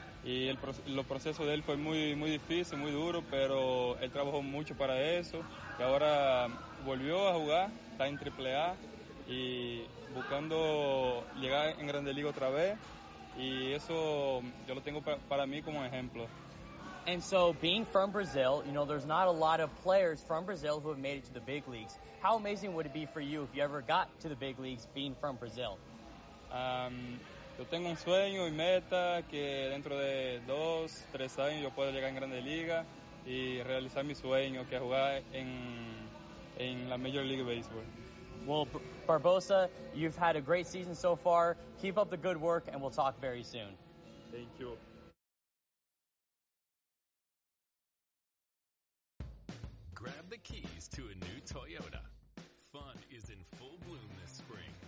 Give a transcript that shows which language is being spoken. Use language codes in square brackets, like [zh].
[es] Y los procesos de él fue muy, muy difícil, muy duro, pero él trabajó mucho para eso. Y ahora volvió a jugar, está en Triple A y buscando llegar en Grande Liga otra vez. Y eso yo lo tengo para mí como ejemplo. [en] And so being from Brazil, you know, there's not a lot of players from Brazil who have made it to the big leagues. How amazing would it be for you if you ever got to the big leagues being from Brazil? [es] Yo tengo un sueño y meta que dentro de 2-3 años yo pueda llegar en Grande Liga y realizar mi sueño, que es jugar en la Major League Baseball. [en] Well, Barbosa, you've had a great season so far. Keep up the good work, and we'll talk very soon. Thank you. Grab the keys to a new Toyota. Fun is in full bloom this spring.